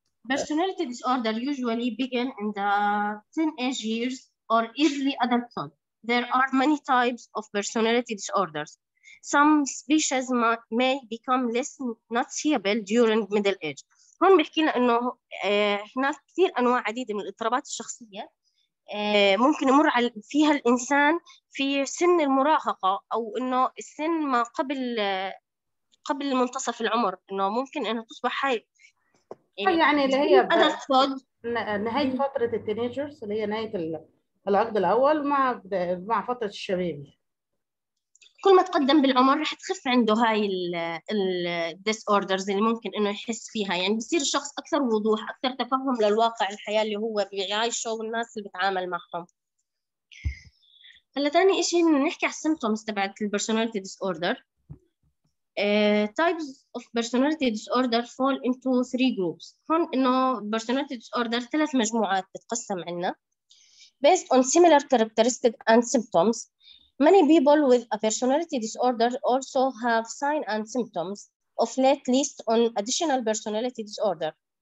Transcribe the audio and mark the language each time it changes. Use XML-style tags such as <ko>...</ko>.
<en>Personality disorder usually begin in the teenage years or early adulthood. There are many types of personality disorders. Some species may become less noticeable during middle age.</en> <ar>هون بيحكي لنا انه هناك كثير انواع عديده من الاضطرابات الشخصيه ممكن يمر فيها الانسان في سن المراهقه او انه السن ما قبل منتصف العمر، انه ممكن انها تصبح هاي يعني اللي هي نهايه فتره التينيجرز اللي هي نهايه العقد الاول مع فتره الشباب. كل ما تقدم بالعمر رح تخف عنده هاي الديس اوردرز اللي ممكن انه يحس فيها، يعني بصير الشخص اكثر وضوح، اكثر تفهم للواقع الحياه اللي هو بيعيشه والناس اللي بيتعامل معهم. هلا ثاني شيء نحكي على السيمبتومز تبعت البيرسوناليتي ديس اوردر.</ar> <en>Types of personality disorder fall into three groups.</en> <ar>هون إنه personality disorder ثلاث مجموعات تتقسم عنا.</ar> <en>Based on similar characteristics and symptoms, many people with a personality disorder also have signs and symptoms of late list on additional personality disorder.</en>